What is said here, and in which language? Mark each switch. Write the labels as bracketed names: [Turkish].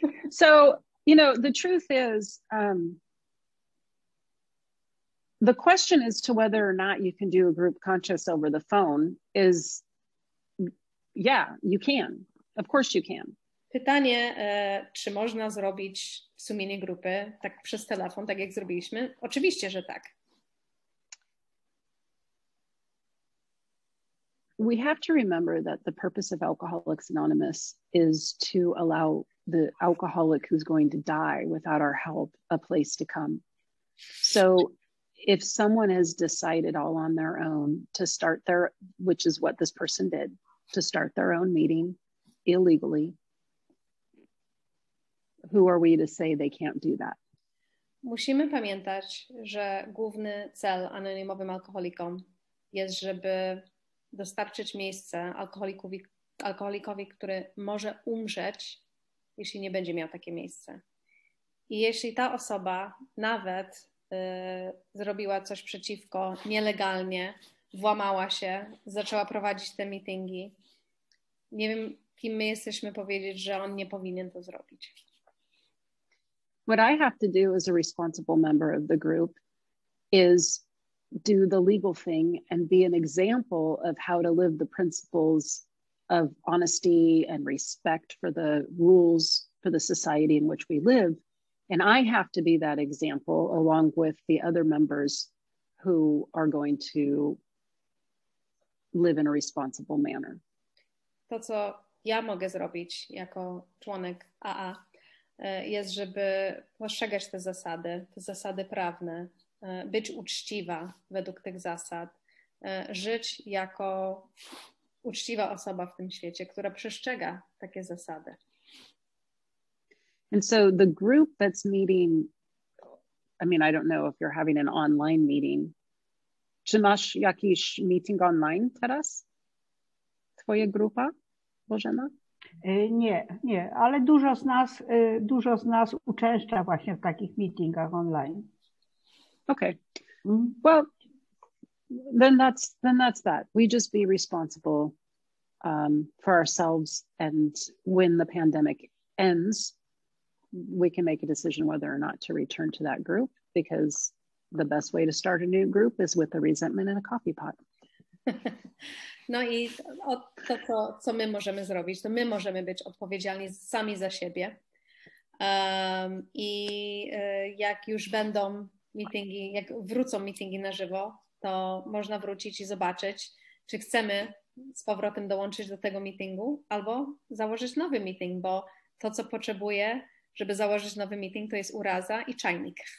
[English] So, you know, the truth is, the question as to whether or not you can do a group conscious over the phone is, yeah, you can. Of course you can. [Polish] Pytanie, czy można zrobić sumienie grupy tak przez telefon, tak jak zrobiliśmy? Oczywiście, że tak. [English] We have to remember that the purpose of Alcoholics Anonymous is to allow the alcoholic who's going to die without our help a place to come. So if someone has decided all on their own to start their, which is what this person did, to start their own meeting illegally, who are we to say they can't do that? [Polish] Musimy pamiętać, że główny cel anonimowym alkoholikom jest, żeby dostarczyć miejsce alkoholikowi, który może umrzeć, jeśli nie będzie miał takie miejsce. I jeśli ta osoba nawet zrobiła coś przeciwko, nielegalnie, włamała się, zaczęła prowadzić te meetingi, nie wiem, kim my jesteśmy powiedzieć, że on nie powinien to zrobić. [English] What I have to do as a responsible member of the group is do the legal thing and be an example of how to live the principles of honesty and respect for the rules for the society in which we live. And I have to be that example along with the other members who are going to live in a responsible manner. [Polish] To, co ja mogę zrobić jako członek AA, jest, żeby postrzegać te zasady prawne, być uczciwa według tych zasad, żyć jako uczciwa osoba w tym świecie, która przestrzega takie zasady. [English] And so the group that's meeting, I mean, I don't know if you're having an online meeting. [Polish] Czy masz jakiś meeting online teraz? Twoja grupa, Bożena? Nie, ale dużo z nas uczęszcza właśnie w takich meetingach online. [English] Okay. Well, then that's that. We just be responsible for ourselves, and when the pandemic ends, we can make a decision whether or not to return to that group, because the best way to start a new group is with a resentment in a coffee pot. [Polish] No i to, co my możemy zrobić, to my możemy być odpowiedzialni sami za siebie. I jak już będą meetingi, jak wrócą meetingi na żywo, to można wrócić i zobaczyć, czy chcemy z powrotem dołączyć do tego meetingu, albo założyć nowy meeting, bo to, co potrzebuje, żeby założyć nowy meeting, to jest uraza i czajnik.